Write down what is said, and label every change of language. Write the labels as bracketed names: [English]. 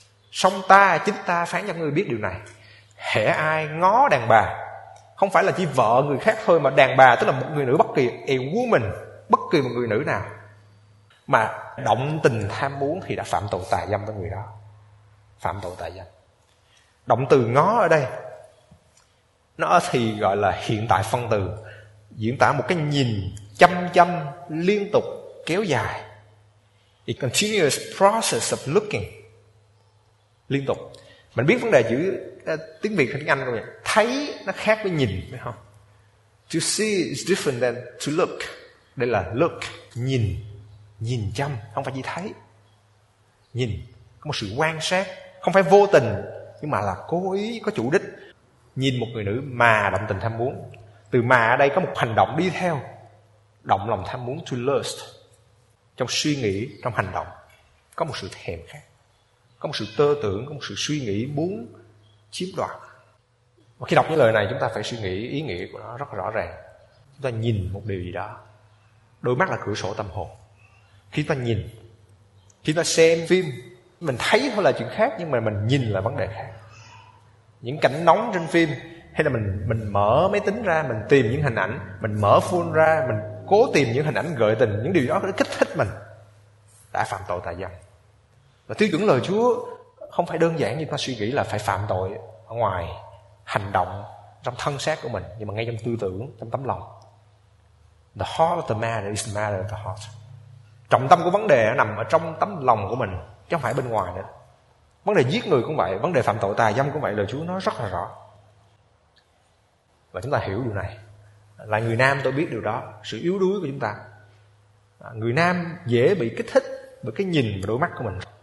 [Vietnamese] Song ta, chính ta phán cho người biết điều này. Hễ ai ngó đàn bà, không phải là chỉ vợ người khác thôi, mà đàn bà tức là một người nữ bất kỳ, [English] a woman, [Vietnamese] bất kỳ một người nữ nào, mà động tình tham muốn thì đã phạm tội tà dâm với người đó. Phạm tội tà dâm. Động từ ngó ở đây, nó thì gọi là hiện tại phân từ, diễn tả một cái nhìn chăm chăm, liên tục, kéo dài. [English] A continuous process of looking, [Vietnamese] liên tục. Mình biết vấn đề chữ tiếng Việt hay tiếng Anh không nhỉ? Thấy nó khác với nhìn, phải không? [English] To see is different than to look. [Vietnamese] Đây là look, nhìn, nhìn chăm, không phải chỉ thấy. Nhìn, có một sự quan sát, không phải vô tình, nhưng mà là cố ý, có chủ đích. Nhìn một người nữ mà động tình tham muốn. Từ mà ở đây có một hành động đi theo, động lòng tham muốn, [English] to lust. [Vietnamese] Trong suy nghĩ, trong hành động có một sự thèm khát, có một sự tơ tưởng, có một sự suy nghĩ muốn chiếm đoạt. Và khi đọc những lời này chúng ta phải suy nghĩ ý nghĩa của nó rất rõ ràng. Chúng ta nhìn một điều gì đó, đôi mắt là cửa sổ tâm hồn. Khi ta nhìn, khi ta xem phim, mình thấy thôi là chuyện khác, nhưng mà mình nhìn là vấn đề khác. Những cảnh nóng trên phim, hay là mình mở máy tính ra, mình tìm những hình ảnh, mình mở phone ra, mình cố tìm những hình ảnh gợi tình, những điều đó để kích thích mình, đã phạm tội tà dâm. Và tiêu chuẩn lời Chúa không phải đơn giản như ta suy nghĩ là phải phạm tội ở ngoài hành động, trong thân xác của mình, nhưng mà ngay trong tư tưởng, trong tấm lòng. [English] The heart of the matter is the matter of the heart. [Vietnamese] Trọng tâm của vấn đề nằm ở trong tấm lòng của mình, chứ không phải bên ngoài nữa. Vấn đề giết người cũng vậy, vấn đề phạm tội tà dâm cũng vậy, lời Chúa nói rất là rõ. Và chúng ta hiểu điều này. Là người nam tôi biết điều đó, sự yếu đuối của chúng ta. Người nam dễ bị kích thích bởi cái nhìn và đôi mắt của mình.